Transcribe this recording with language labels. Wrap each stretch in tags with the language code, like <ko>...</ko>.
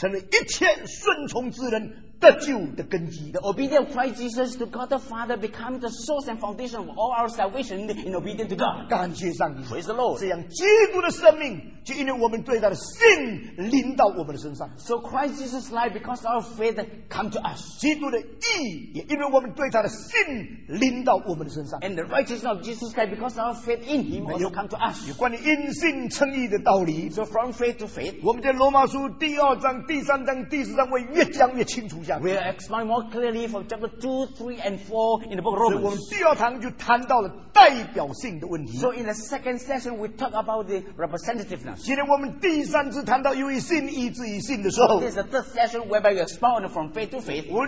<zh>耶稣基督对父神的顺从，成了一切顺从之人得救的根基。</zh> <en>The obedience of Christ Jesus to God the Father becomes the source and foundation of all our salvation in obedience to God.</en> <zh>感谢上帝。</zh> <en>Praise the Lord.</en> <zh>这样基督的生命。就因为我们对他的信临到我们的身上</zh> <en>So Christ Jesus life because our faith come to us</en> <zh>基督的义也因为我们对他的信临到我们的身上</zh> <en>And the righteousness of Jesus Christ because our faith in him also come to us</en> <zh>有关于因信称义的道理</zh> <en>So from faith to faith</en> <zh>我们在罗马书第二章第三章第四章会越讲越清楚下去</zh> <en>We'll explain more clearly from chapter 2, 3 and 4 in the book of Romans</en> <zh>所以我们第二堂就谈到了代表性的问题</zh> <en>So in the second session we talk about the representativeness</en> <zh>今天我们第三次谈到由于信义自于信的时候</zh> <en>This is the third session whereby we expound from faith to faith</en>